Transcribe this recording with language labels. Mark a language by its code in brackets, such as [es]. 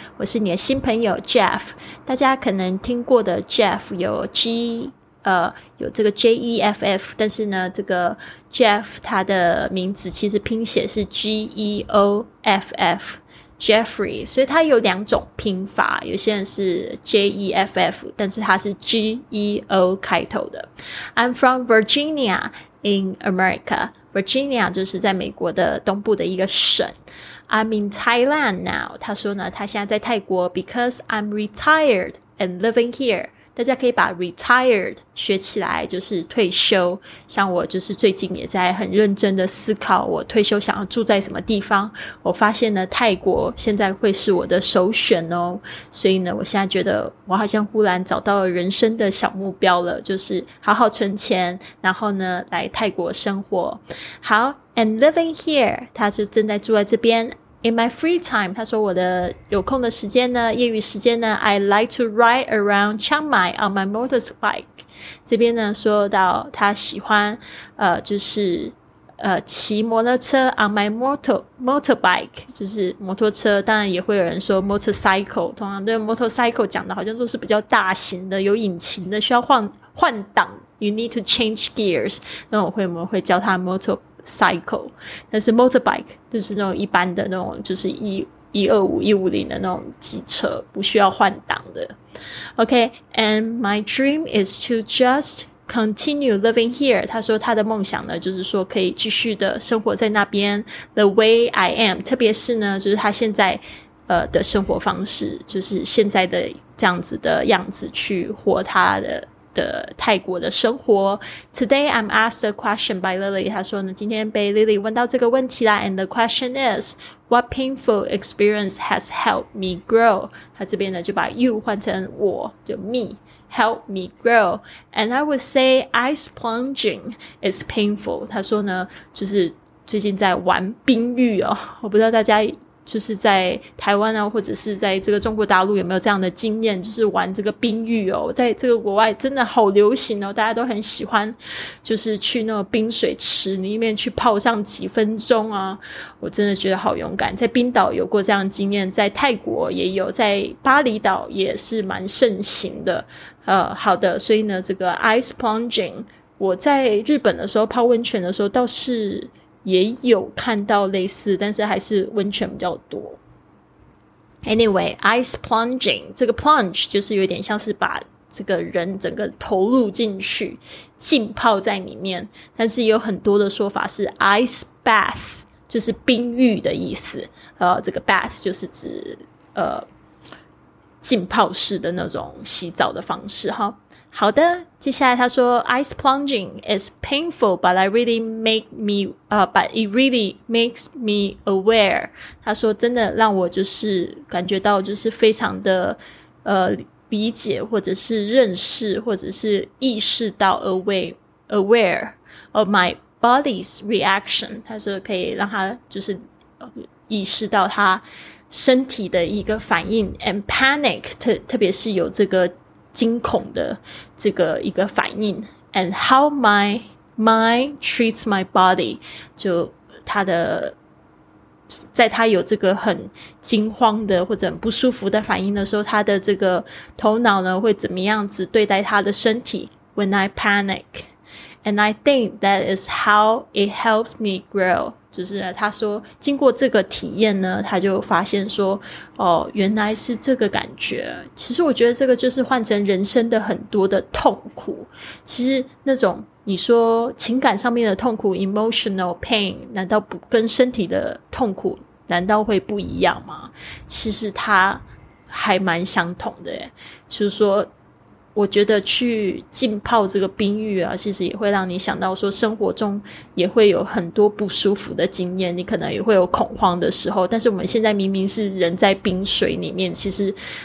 [zh] 我是你的新朋友 Jeff. 大家可能听过的 Jeff 有 G, 有这个 J-E-F-F, 但是呢这个 Jeff 他的名字其实拼写是 G-E-O-F-F。 Jeffrey, 所以它有两种拼法，有些人是 J-E-F-F, 但是它是 G-E-O 开头的。 [en] I'm from Virginia in America. [zh] Virginia 就是在美国的东部的一个省。 [en] I'm in Thailand now. [zh] 他说呢，他现在在泰国 [en] because I'm retired and living here. [zh] 大家可以把 retired 学起来，就是退休。像我就是最近也在很认真的思考我退休想要住在什么地方，我发现呢泰国现在会是我的首选哦。所以呢我现在觉得我好像忽然找到了人生的小目标了，就是好好存钱，然后呢来泰国生活。好， [en] and living here, [zh] 他就正在住在这边。 [en] In my free time, [zh] 他说我的有空的时间呢， [en] 业余时间呢， I like to ride around Chiang Mai on my motorbike. [zh] 这边呢说到他喜欢就是骑摩托车 [en] on my motorbike, [zh] 就是摩托车，当然也会有人说 motorcycle, 通常对 motorcycle 讲的好像都是比较大型的，有引擎的，需要换挡， [en] you need to change gears, [zh] 那我们会叫他 motorcycle, 但是 motorbike 就是那种一般的那种就是 125, 150的那种机车，不需要换挡的。 [en] Okay, and my dream is to just continue living here. [zh] 他说他的梦想呢，就是说可以继续的生活在那边。 [en] The way I am, [zh] 特别是呢，就是他现在的生活方式，就是现在的这样子的样子去活他的泰国的生活。 [en] Today I'm asked a question by Lily. [zh] 他说呢，今天被 Lily 问到这个问题啦。 [en] And the question is, what painful experience has helped me grow? [zh] 他这边呢就把 you 换成我，就 [en] me help me grow. And I would say ice plunging is painful. [zh] 他说呢，就是最近在玩冰浴哦，我不知道大家就是在台湾啊，或者是在这个中国大陆有没有这样的经验，就是玩这个冰浴哦，在这个国外真的好流行哦，大家都很喜欢，就是去那个冰水池里面去泡上几分钟啊，我真的觉得好勇敢。在冰岛有过这样的经验，在泰国也有，在巴厘岛也是蛮盛行的。好的，所以呢，这个 ice plunging， 我在日本的时候泡温泉的时候倒是也有看到类似，但是还是温泉比较多。 Anyway, ice plunging 这个 plunge 就是有点像是把这个人整个投入进去，浸泡在里面，但是有很多的说法是 ice bath， 就是冰浴的意思。这个 bath 就是指浸泡式的那种洗澡的方式哈。好的，接下来他说 [en] ice plunging is painful, but I really make me, but it really makes me aware. [zh] 他说真的让我就是感觉到就是非常的理解，或者是认识，或者是意识到 [en] aware of my body's reaction. [zh] 他说可以让他就是意识到他身体的一个反应 [en] and panic, [zh] 特别是有这个惊恐的这个一个反应 [en] and how my mind treats my body， [zh] 就他的在他有这个很惊慌的或者很不舒服的反应的时候，他的这个头脑呢会怎么样子对待他的身体。 [en] When I panic and I think that is how it helps me grow， [zh] 就是他说经过这个体验呢，他就发现说哦，原来是这个感觉。其实我觉得这个就是换成人生的很多的痛苦，其实那种你说情感上面的痛苦 [en] emotional pain， [zh] 难道不跟身体的痛苦难道会不一样吗？其实它还蛮相同的耶，就是说我觉得去浸泡这个冰浴啊，其实也会让你想到说生活中也会有很多不舒服的经验，你可能也会有恐慌的时候，但是我们现在明明是人在冰水里面，其实